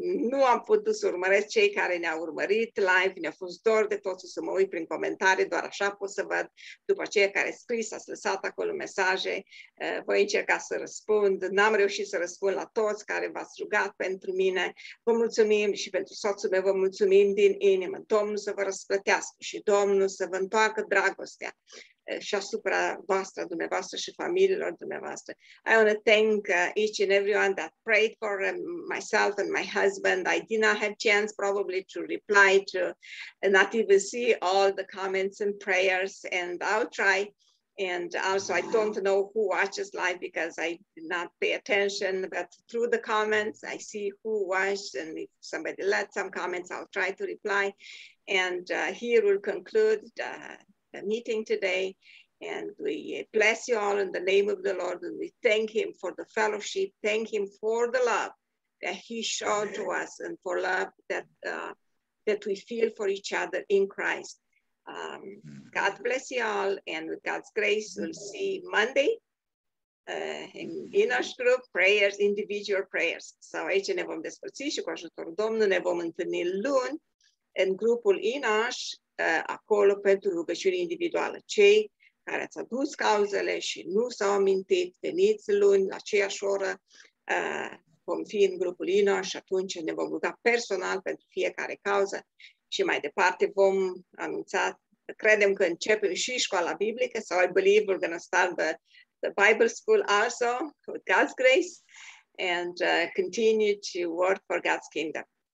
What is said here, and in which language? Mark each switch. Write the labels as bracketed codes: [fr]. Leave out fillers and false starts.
[ro] Nu am putut să urmăresc cei care ne-au urmărit live, ne-a fost dor de tot să mă uit prin comentarii, doar așa pot să văd după cei care scris, ați lăsat acolo mesaje, voi încerca să răspund, n-am reușit să răspund la toți care v-ați rugat pentru mine, vă mulțumim și pentru soțul meu, vă mulțumim din inimă, Domnul să vă răsplătească și Domnul să vă întoarcă dragostea și asupra voastră, dumneavoastră și familiilor dumneavoastră. [en] I want to thank each and everyone that prayed for myself and my husband. I did not have chance probably to reply to, and not even see all the comments and prayers, and I'll try. And also, I don't know who watches live because I did not pay attention, but through the comments, I see who watched, and if somebody left some comments, I'll try to reply. And here we'll conclude the meeting today, and we bless you all in the name of the Lord, and we thank him for the fellowship, thank him for the love that he showed to us, and for love that that we feel for each other in Christ. God bless you all, and with God's grace, we'll see Monday in our group prayers, individual prayers. [ro] So aici ne vom despărți și cu ajutorul Domnului ne vom întâlni luni în grupul Inaș, acolo pentru rugăciune individuală. Cei care ați adus cauzele și nu s-au amintit, veniți luni, la aceeași oră, vom fi în grupul INO și atunci ne vom ruga personal pentru fiecare cauză și mai departe vom anunța, credem că începem și școala biblică, [en] so I believe we're going to start the Bible school also, with God's grace, and continue to work for God's kingdom.